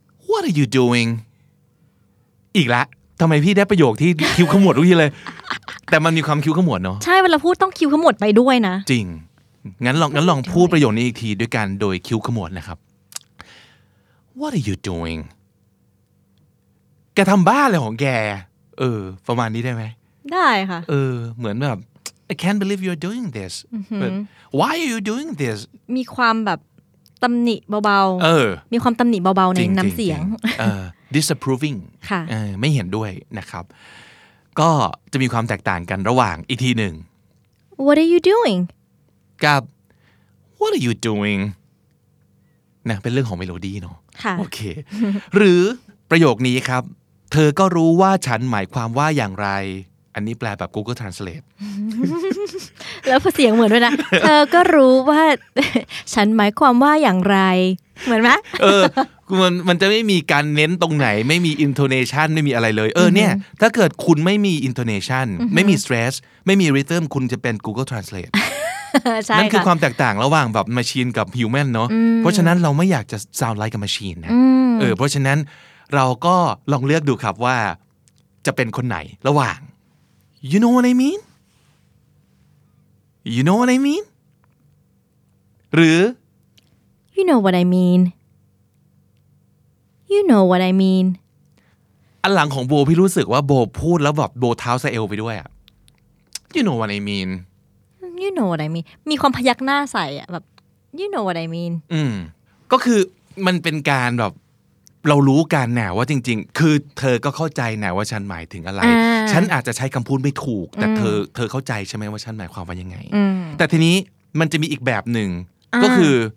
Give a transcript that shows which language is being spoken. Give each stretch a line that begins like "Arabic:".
English: What are you doing?
Thai: อีกแล้วทำไมพี่ได้ประโยคที่คิ้วขมวดทุกทีเลยแต่มันมีความคิ้วขมวดเน า ะ ใช่เวลาพูดต้องคิ้วขมวดไปด้วยนะ จริงงั้นลองพูดประโยคนี้อีกทีด้วยกันโดยคิ้วขมวดนะครับ
English: What are you doing?
Thai: แกทำบ้าเลยของแกเออประมาณนี้ได้ไหม ได้ค่ะ เออเหมือนแบบ
English: I can't believe you're doing this why are you doing this
Thai: มีความแบบตำหนิเบา ๆเออ มีความตำหนิเบาๆในน้ำเสียง เออ disapproving ค่ะ เออไม่เห็นด้วยนะครับก็จะมีความแตกต่างกันระหว่างอีกทีหนึ่ง
English: what are you doing
Thai: กับ
English: what are you doing
Thai: นะเป็นเรื่องของเมโลดี้เนาะ ค่ะ โอเคหรือประโยคนี้ครับเธอก็รู้ว่าฉันหมายความว่าอย่างไรอันนี้แปลแบบ Google Translate แล้วเสียงเหมือนด้วยนะเธอก็รู้ว่าฉันหมายความว่าอย่างไรเหมือนไหม เออมันจะไม่มีการเน้นตรงไหนไม่มี intonation ไม่มีอะไรเลยเออเนี่ยถ้าเกิดคุณไม่มี intonation ไม่มี stress ไม่มี rhythm คุณจะเป็น Google Translate นั่ นคือความแตกต่างระหว่างแบบ machine กับ human เนาะเพราะฉะนั้นเราไม่อยากจะ
English: sound like
Thai: กับ machine นะเออเพราะฉะนั้นเราก็ลองเลือกดูครับว่าจะเป็นคนไหนระหว่าง
English: you know what I mean
Thai: you know what I mean หรือ
English: you know what I mean you know what I mean
Thai: อันหลังของโบพี่รู้สึกว่าโบพูดแล้วแบบโบเท้าซะเอวไปด้วยอะ
English: you know what I mean you know what I mean
Thai: มีความพยักหน้าใส่อะแบบ
English: you know what I mean
Thai: อืมก็คือมันเป็นการแบบเรารู้กันแน่ว่าจริงๆคือเธอก็เข้าใจแน่ว่าฉันหมายถึงอะไรฉันอาจจะใช้คำพูดไม่ถูกแต่เธอเข้าใจใช่ไหมว่าฉันหมายความว่ายังไงแต่ทีนี้มันจะมีอีกแบบหนึ่งก็คือ